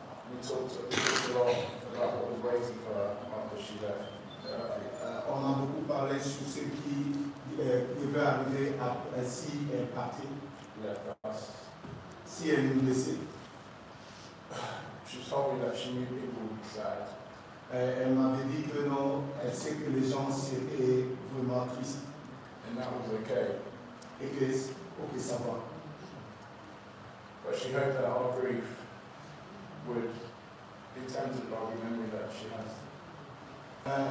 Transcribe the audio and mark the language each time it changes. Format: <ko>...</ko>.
<en>We talked a lot about what was waiting for her after she left.</en> <fr>On a beaucoup parlé sur ce qui devait arriver si elle partait.</fr> <en>Left us.</en> <fr>Si elle nous laissait.</fr> <en>She told me that she knew people would be sad.</en> <fr>Elle m'avait dit que non, elle sait que les gens seraient vraiment tristes.</fr> <en>And that was okay.</en> <fr>Et que okay, ça va.</fr> <en>But she hoped that our grief would be tempered by the memory that she has.</en>